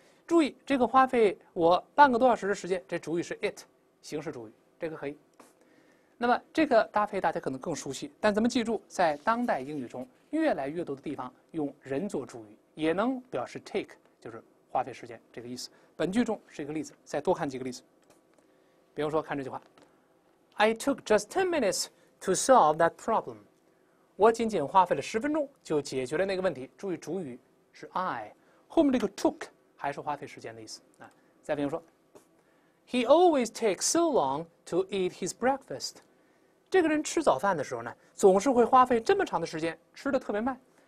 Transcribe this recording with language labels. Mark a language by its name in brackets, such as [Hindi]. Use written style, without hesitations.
[Chinese] 注意，这个花费我半个多小时的时间。这主语是 it，形式主语，这个可以。那么这个搭配大家可能更熟悉，但咱们记住，在当代英语中，越来越多的地方用人做主语，也能表示 take，就是花费时间这个意思。本句中是一个例子，再多看几个例子。比方说，看这句话： [English] I took just 10 minutes to solve that problem。 [Chinese] 我仅仅花费了10分钟就解决了那个问题。注意，主语是 I，后面这个 took 还是花费时间的意思啊。再比方说。 [English] He always takes so long to eat his breakfast。 [Chinese] 这个人吃早饭的时候呢，总是会花费这么长的时间，吃得特别慢。